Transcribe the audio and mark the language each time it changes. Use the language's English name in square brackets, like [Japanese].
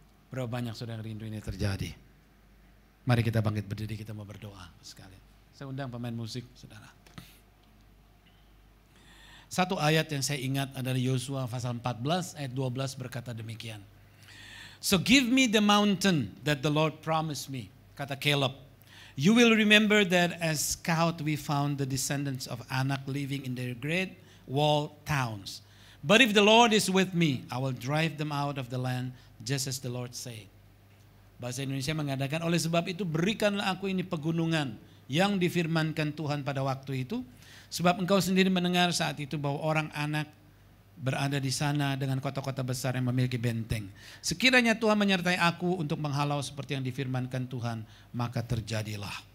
[Indonesian] Berapa banyak saudara yang rindu ini terjadi? Mari kita bangkit berdiri, kita mau berdoa sekali. Saya undang pemain musik, saudara. Satu ayat yang saya ingat adalah Yosua pasal 14 ayat 12 berkata demikian. [English] So give me the mountain that the Lord promised me, kata Caleb. You will remember that as scout we found the descendants of Anak living in their great walled towns. But if the Lord is with me, I will drive them out of the land, just as the Lord said. [Indonesian] Bahasa Indonesia mengatakan, oleh sebab itu berikanlah aku ini pegunungan yang difirmankan Tuhan pada waktu itu. Sebab engkau sendiri mendengar saat itu bahwa orang Anak berada di sana dengan kota-kota besar yang memiliki benteng. Sekiranya Tuhan menyertai aku untuk menghalau seperti yang difirmankan Tuhan, maka terjadilah.